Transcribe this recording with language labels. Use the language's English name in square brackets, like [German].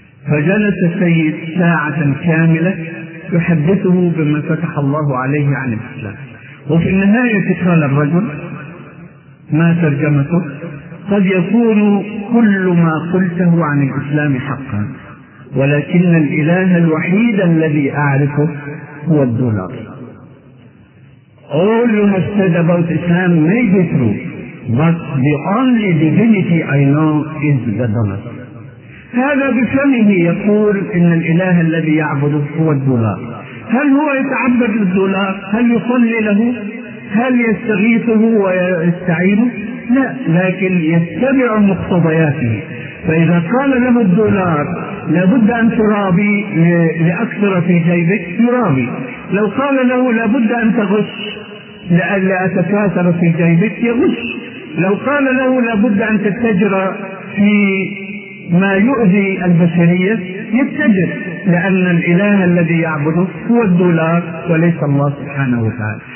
[Arabic] فجلس السيد ساعة كاملة يحدثه بما فتح الله عليه عن الإسلام. وفي النهاية قال الرجل ما ترجمته؟ قد يكون كل ما قلته عن الإسلام حقا، ولكن الإله الوحيد الذي أعرفه هو الدولار. [English] All you have said about Islam may be true, but the only divinity I know is the dollar. [Arabic] هذا بفمه يقول إن الإله الذي يعبده هو الدولار. هل هو يتعبد للدولار؟ هل يصلي له؟ هل يستغيثه ويستعينه؟ لا، لكن يتبع مقتضياته. فإذا قال له الدولار لابد أن ترابي لأكثر في جيبك يرابي، لو قال له لابد أن تغش لألا أتكاثر في جيبك يغش، لو قال له لابد أن تتجر في ما يؤذي البشرية يتجر، لأن الإله الذي يعبده هو الدولار وليس الله سبحانه وتعالى.